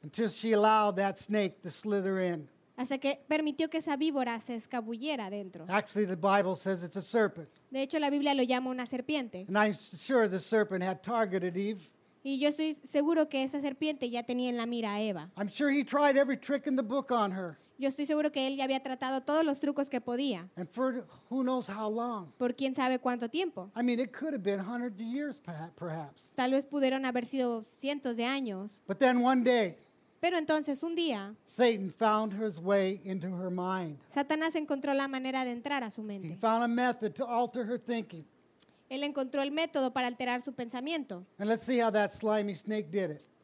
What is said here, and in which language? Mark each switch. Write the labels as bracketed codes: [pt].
[en] Until she allowed that snake to slither in. [es] Hasta que permitió que esa víbora se escabullera dentro. [en] Actually, the Bible says it's a serpent. [es] De hecho, la Biblia lo llama una serpiente. [en] And I'm sure the serpent had targeted Eve. [es] Y yo estoy seguro que esa serpiente ya tenía en la mira a Eva. [en] I'm sure he tried every trick in the book on her. [es] Yo estoy seguro que él ya había tratado todos los trucos que podía. [en] And for who knows how long. [es] Por quién sabe cuánto tiempo. [en] I mean, it could have been hundreds of years, perhaps. [es] Tal vez pudieron haber sido cientos de años. [en] But then one day. [es] Pero entonces un día. [en] Satan found his way into her mind. [es] Satanás encontró la manera de entrar a su mente. [en] He found a method to alter her thinking. [es] Él encontró el método para alterar su pensamiento. [en] And let's see how that slimy snake did it.